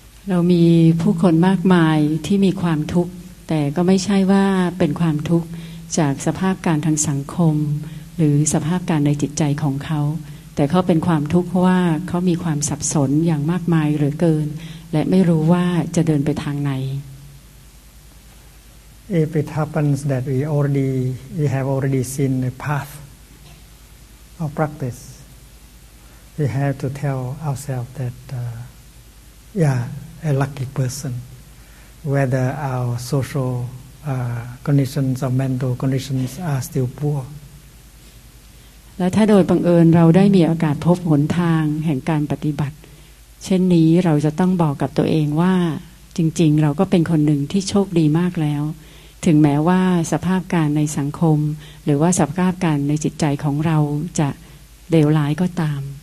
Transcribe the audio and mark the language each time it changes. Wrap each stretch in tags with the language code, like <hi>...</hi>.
<th>เรามีผู้คนมากมายที่มีความทุกข์แต่ก็ไม่ใช่ว่าเป็นความทุกข์จากสภาพการทางสังคมหรือสภาพการในจิตใจของเขาแต่เขาเป็นความทุกข์เพราะว่าเขามีความสับสนอย่างมากมายเหลือเกินและไม่รู้ว่าจะเดินไปทางไหน</th> <en>If it happens that we have already seen the path of practice, we have to tell ourselves that a lucky person, whether our social conditions or mental conditions are still poor</en> <th>และถ้าโดยบังเอิญเราได้มีโอกาสพบหนทางแห่งการปฏิบัติเช่นนี้เราจะต้องบอกกับตัวเองว่าจริงๆเราก็เป็นคนหนึ่งที่โชคดีมากแล้วถึงแม้ว่าสภาพการในสังคมหรือว่าสภาพการในจิตใจของเราจะเลวร้ายก็ตาม</th>